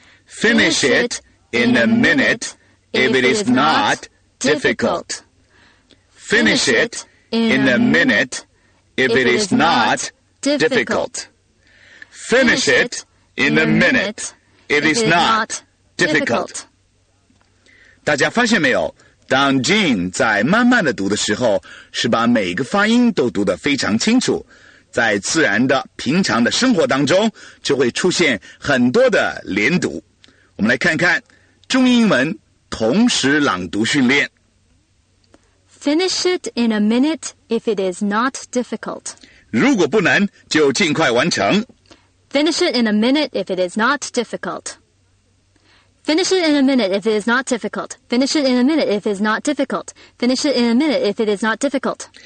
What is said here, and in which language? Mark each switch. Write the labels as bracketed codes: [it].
[en] Finish it in a minute if it is not difficult. Finish it in a minute if it is not difficult. Finish it in a minute if it is not difficult. [zh] 大家发现没有？当 Jean 在慢慢的读的时候，是把每个发音都读得非常清楚。在自然的平常的生活当中，就会出现很多的连读。我们来看看中英文同时朗读训练。 [en] Finish it in a minute if it is not difficult. [zh] 如果不难，就尽快完成。 [en] Finish it in a minute if it is not difficult. Finish it in a minute if it is not difficult. Finish it in a minute if it is not difficult. Finish it in a minute if it is not difficult.